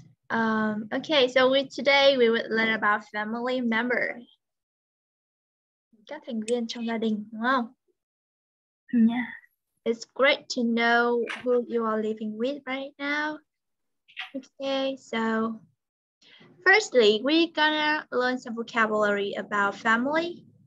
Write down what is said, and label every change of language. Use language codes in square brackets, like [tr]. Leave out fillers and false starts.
[en] Okay, so today we will learn about family member. [vi] Các thành viên trong gia đình, đúng không? [en] Yeah. It's great to know who you are living with right now. Okay, so firstly, we're gonna learn some vocabulary about family.